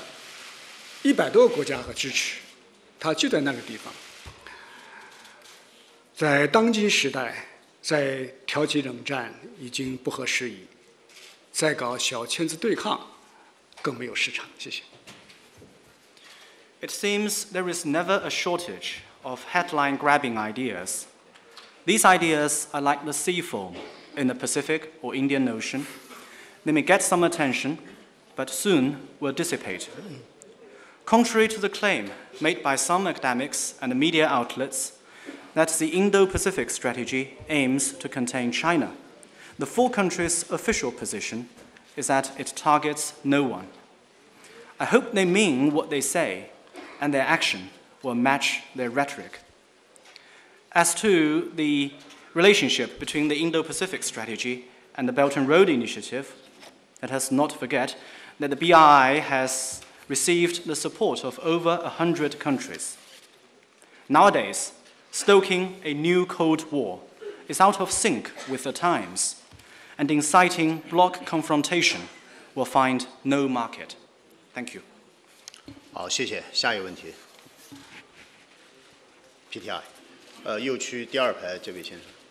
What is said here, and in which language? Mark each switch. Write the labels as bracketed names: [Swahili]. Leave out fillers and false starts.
[Chinese] 确实有些学者和媒体在渲染所谓的印太战略是为了围堵中国，但是我们看到四国官方立即就出面表示，那么他们无意针对任何的国家。我希望他们说的是实话，也希望他们能够言行一致。至于跟“一带一路”什么关系，“一带一路”已经得到了100多个国家和支持。它就在那个地方。在当今时代，再挑起冷战已经不合时宜，再搞小圈子对抗更没有市场。谢谢。 [English] It seems there is never a shortage of headline-grabbing ideas. These ideas are like the sea foam in the Pacific or Indian Ocean. They may get some attention, but soon will dissipate. Contrary to the claim made by some academics and media outlets that the Indo-Pacific strategy aims to contain China, the four countries' official position is that it targets no one. I hope they mean what they say and their action will match their rhetoric. As to the relationship between the Indo-Pacific strategy and the Belt and Road Initiative, let us not forget that the BRI has received the support of over 100 countries. Nowadays, stoking a new Cold War is out of sync with the times, and inciting bloc confrontation will find no market. Thank you. [Chinese] 好，谢谢。下一个问题。PTI， 右区第二排这位先生。